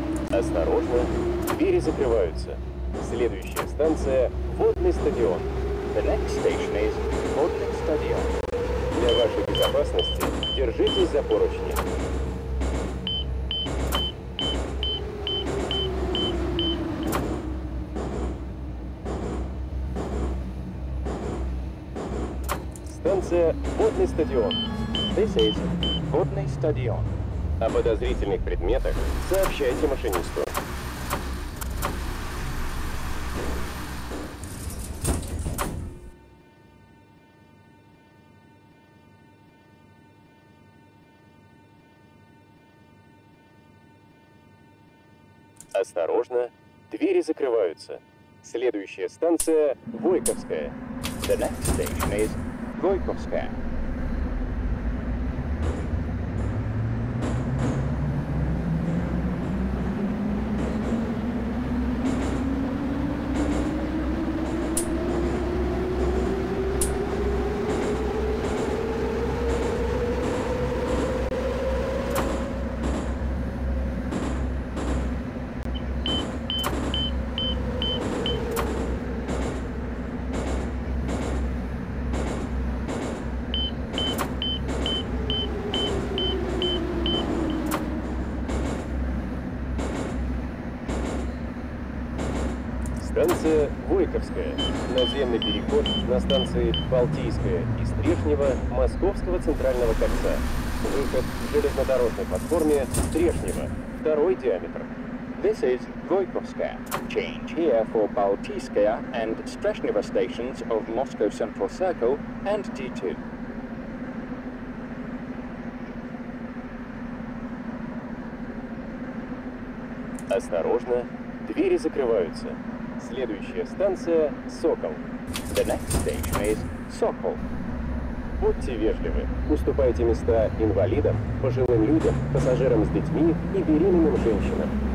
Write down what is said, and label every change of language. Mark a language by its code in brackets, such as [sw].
[ru] Осторожно, двери закрываются. Следующая станция – водный стадион. [en] The next station is водный стадион. [ru] Для вашей безопасности держитесь за поручни. Станция «Водный стадион». [en] This is «Водный стадион». [ru] О подозрительных предметах сообщайте машинисту. Осторожно, двери закрываются. Следующая станция – Войковская. [en] The next station is Войковская. [ru] Станция Войковская. Наземный переход на станции Балтийская и Стрешнева Московского центрального кольца. Выход в железнодорожной платформе Стрешнева. Второй диаметр. [en] This is Войковская. Change here for Балтийская and Стрешнева stations of Moscow Central Circle and D2. [ru] Осторожно, двери закрываются. Следующая станция – Сокол. [en] The next station is Сокол. [ru] Будьте вежливы, уступайте места инвалидам, пожилым людям, пассажирам с детьми и беременным женщинам.